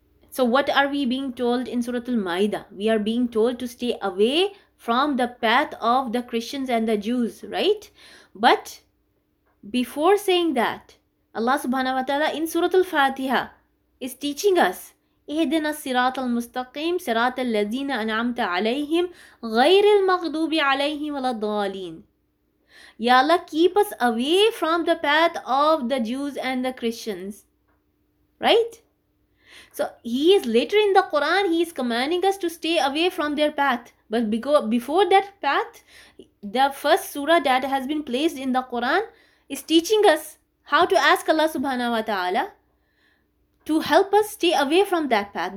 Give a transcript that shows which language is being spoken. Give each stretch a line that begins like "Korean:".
English: So what are we being told in Surah Al-Ma'idah? We are being told to stay away from the path of the Christians and the Jews, right? But before saying that, Allah subhanahu wa ta'ala in Surah Al-Fatiha is teaching us,
Arabic: اهدنا الصراط المستقيم صراط الذين أنعمت عليهم غير المغضوب عليهم ولا الضالين.
English: Ya Allah, keep us away from the path of the Jews and the Christians. Right? So he is later in the Quran, he is commanding us to stay away from their path. But before that path, the first surah that has been placed in the Quran is teaching us how to ask Allah subhanahu wa ta'ala to help us stay away from that path.